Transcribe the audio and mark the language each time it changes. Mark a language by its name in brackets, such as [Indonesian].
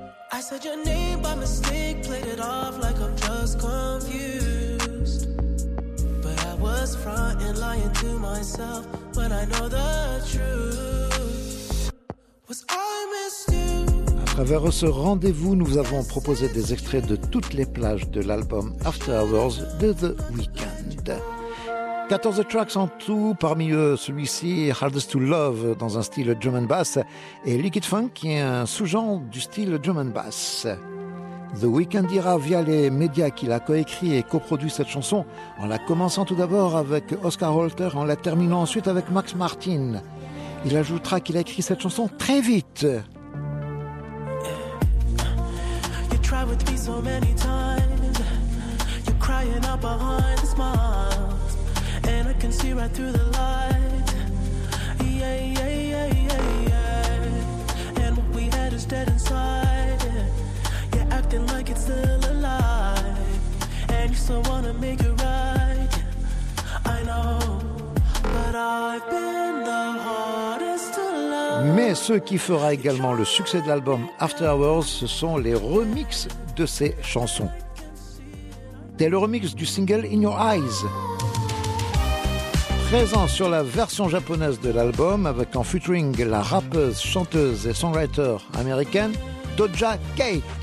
[English] I said your name by mistake, played it off like I'm just confused. But I was frontin', lying to myself, but I know the truth. Was I missed you? [French] À travers ce rendez-vous, nous vous avons proposé des extraits de toutes les plages de l'album After Hours de The Weeknd. 14 tracks en tout, parmi eux celui-ci, Hardest to Love, dans un style drum and bass, et Liquid Funk, qui est un sous-genre du style drum and bass. The Weeknd dira via les médias qu'il a coécrit et coproduit cette chanson, en la commençant tout d'abord avec Oscar Holter, en la terminant ensuite avec Max Martin. Il ajoutera qu'il a écrit cette chanson très vite. [English] You tried with me so many times. hiding out behind the smiles, and I can see right through the light. Yeah, yeah, yeah, yeah, yeah. And what we had is dead inside. You're acting like it's still alive, and you still wanna make it right. I know, but I've been the hardest to love. [French] Mais ce qui fera également le succès de l'album After Hours, ce sont les remixes de ces chansons. Tel le remix du single In Your Eyes, présent sur la version japonaise de l'album, avec en featuring la rappeuse, chanteuse et songwriter américaine Doja Cat.